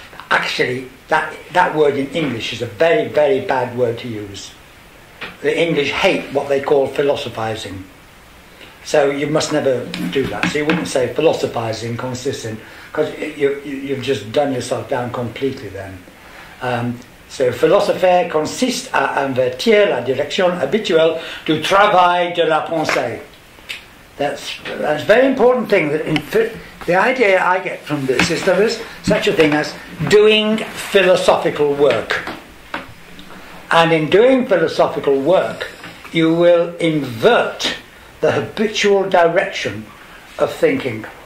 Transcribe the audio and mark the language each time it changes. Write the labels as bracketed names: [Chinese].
[English] Actually, that word in English is a very, very bad word to use. The English hate what they call philosophizing. So you must never do that. So you wouldn't say philosophizing consists in, because you've just done yourself down completely then. So philosopher consists [French] à invertir la direction habituelle du travail de la pensée. [English] That's a very important thing. The idea I get from this is there is such a thing as doing philosophical work. And in doing philosophical work, you will invert the habitual direction of thinking.